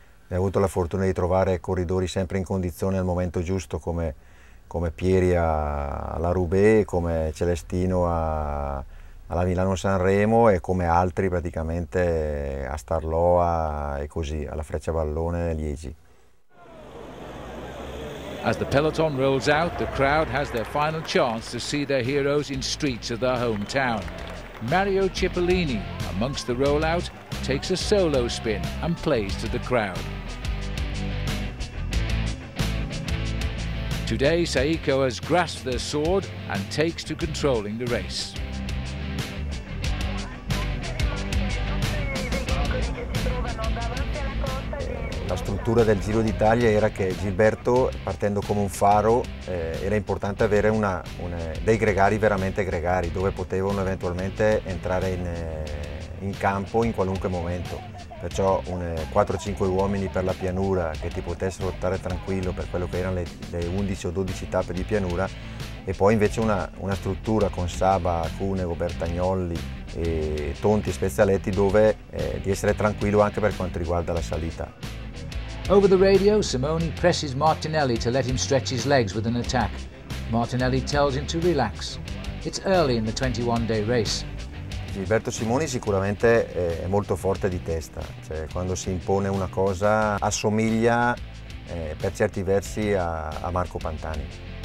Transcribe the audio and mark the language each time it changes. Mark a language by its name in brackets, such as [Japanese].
[Italian] Abbiamo avuto la fortuna di trovare corridori sempre in condizione al momento giusto, come Pieri alla Roubaix, come Celestino alla Milano-Sanremo e come altri praticamente a Starloa e così, alla Freccia Vallone e Liegi. [English] As the peloton rolls out, the crowd has their final chance to see their heroes in streets of their hometown. Mario Cipollini, amongst the rollout, takes a solo spin and plays to the crowd. Today, Saeco has grasped their sword and takes to controlling the race. [Italian] La struttura del Giro d'Italia era che Gilberto, partendo come un faro, era importante avere dei gregari veramente gregari, dove potevano eventualmente entrare in campo in qualunque momento. Perciò 4-5 uomini per la pianura che ti potessero lottare tranquillo per quello che erano le 11 o 12 tappe di pianura, e poi invece una struttura con Saba, Cunego, Bertagnolli, e Tonti e Spezialetti, dove di essere tranquillo anche per quanto riguarda la salita. [English] Over the radio, Simone presses Martinelli to let him stretch his legs with an attack. Martinelli tells him to relax. It's early in the 21-day race. [Italian] Gilberto Simoni sicuramente è molto forte di testa. Cioè, quando si impone una cosa assomiglia per certi versi a Marco Pantani.